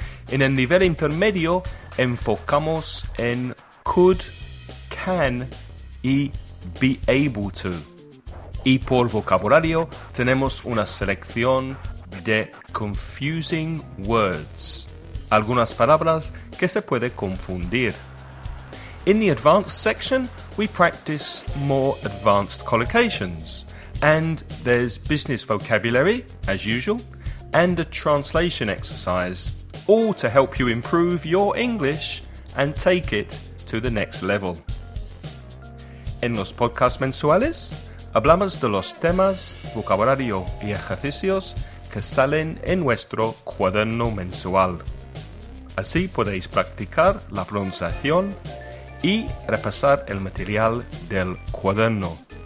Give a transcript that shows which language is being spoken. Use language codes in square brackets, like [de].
[es] En el nivel intermedio, enfocamos en could, can y be able to. Y por vocabulario, tenemos una selección de [en] confusing words, [es] algunas palabras que se puede confundir. [en] In the advanced section, we practice more advanced collocations, and there's business vocabulary, as usual, and a translation exercise, all to help you improve your English and take it to the next level. [es] En los podcasts mensuales, hablamos de los temas, vocabulario y ejercicios que salen en nuestro cuaderno mensual. Así podéis practicar la pronunciación y repasar el material del cuaderno.